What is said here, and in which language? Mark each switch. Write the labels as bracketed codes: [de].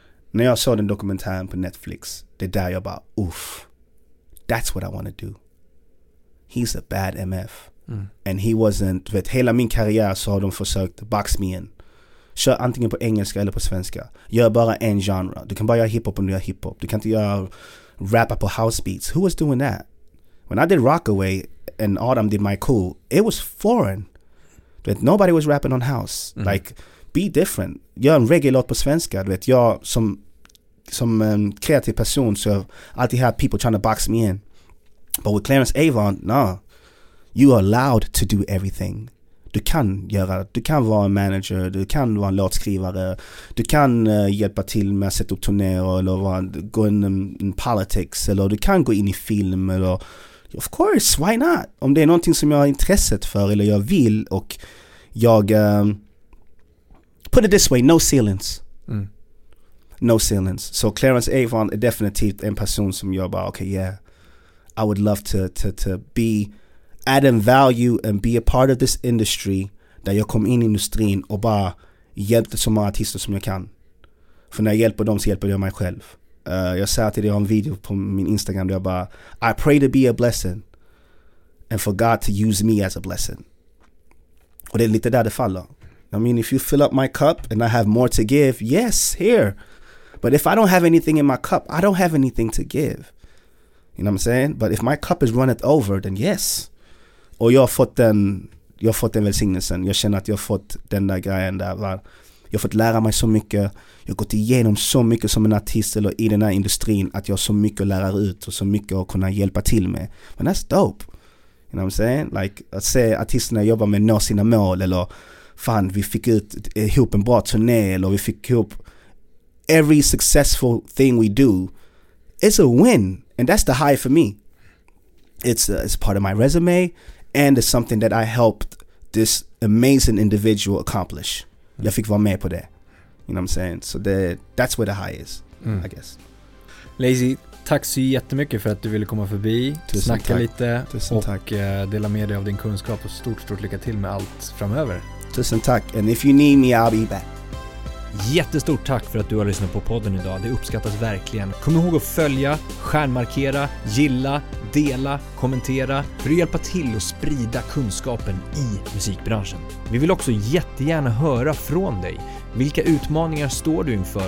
[sv] När jag såg den dokumentären på Netflix, det är där jag bara, uff, [en] that's what I want to do. he's a bad MF. And he wasn't, [sv] du vet, hela min karriär så har de försökt [en] box me in. [sv] Kör antingen på engelska eller på svenska. Gör bara en genre. Du kan bara göra hiphop om du gör hiphop. Du kan inte göra rappa på house beats. [en] Who was doing that? When I did Rockaway and Autumn did My Cool, it was foreign. [sv] Du vet, [en] nobody was rapping on house. Mm. Like, be different. [sv] Gör en reggae-låt på svenska. Du vet, jag som en kreativ person så har alltid haft [en] people trying to box me in. But with Clarence Avon, no. You are allowed to do everything. [sv] Du kan göra, du kan vara en manager, du kan vara en låtskrivare, du kan hjälpa till med att sätta upp turnéer eller gå in i politics, eller du kan gå in i film, eller [en] of course, why not? [sv] Om det är någonting som jag har intresset för eller jag vill, och jag [en] put it this way, no ceilings. No ceilings. [sv] So Clarence Avon är definitivt en person som jag bara, [en] okay, yeah, I would love to be adding value and be a part of this industry, [sv] där jag kom in i industrin och bara hjälpte så många artister som jag kan. För när jag hjälper dem så hjälper jag mig själv. Jag sa till dig, jag har en video på min Instagram där jag bara, [en] I pray to be a blessing and for God to use me as a blessing. [sv] Och det är lite där det faller. [en] I mean, if you fill up my cup and I have more to give, yes, here. But if I don't have anything in my cup, I don't have anything to give. You know what I'm saying? But if my cup is runneth over, then yes. [sv] Och jag har fått den välsignelsen. Jag känner att jag har fått den där grejen där. Va? Jag har fått lära mig så mycket. Jag har gått igenom så mycket som en artist eller i den här industrin, att jag har så mycket att lära ut och så mycket att kunna hjälpa till med. Men [en] that's dope. You know what I'm saying? Like, [sv] att se artisterna jobba med att nå sina mål, eller fan, vi fick ut ihop en bra turné, eller vi fick ihop [en] every successful thing we do. It's a win. And that's the high for me. It's part of my resume, and it's something that I helped this amazing individual accomplish. Mm. [sv] Jag fick vara med på det. [en] You know what I'm saying? So that's where the high is, I guess. [sv] Lazy, tack så jättemycket för att du ville komma förbi, tusen snacka tack. Lite tusen och tack. Dela med dig av din kunskap, och stort, stort lycka till med allt framöver. Tusen tack, [en] and if you need me, I'll be back. [sv] Jättestort tack för att du har lyssnat på podden idag. Det uppskattas verkligen. Kom ihåg att följa, stjärnmarkera, gilla, dela, kommentera, för att hjälpa till att sprida kunskapen i musikbranschen. Vi vill också jättegärna höra från dig. Vilka utmaningar står du inför?